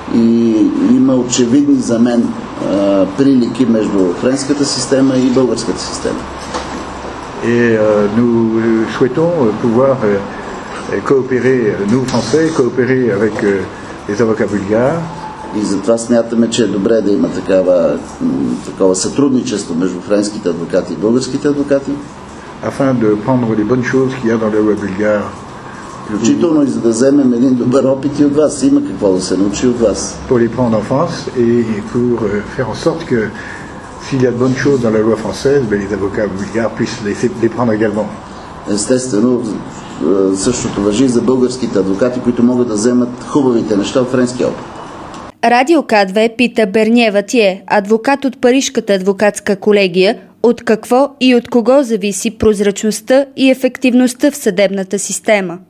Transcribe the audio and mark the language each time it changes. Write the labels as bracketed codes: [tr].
[bg] И има очевидни за мен прилики между френската система и българската система. [fr] Et nous souhaitons pouvoir coopérer, nous français, coopérer avec les avocats bulgares. [bg] И затова смятаме, че е добре да има такова сътрудничество между френските адвокати и българските адвокати. [fr] Afin de prendre les bonnes choses qu'il y a dans le web bulgare. [bg] Включително и за да вземем един добър опит от вас, има какво да се научи от вас. [fr] Pour les prendre en France et pour faire en sorte que s'il y a de bonnes choses dans la loi française, ben les avocats bulgares puissent les prendre également. [bg] Естествено, същото важи за българските адвокати, които могат да вземат хубавите неща от френския опит. Радио К2 пита Бернева Тие, адвокат от Парижката адвокатска колегия, от какво и от кого зависи прозрачността и ефективността в съдебната система.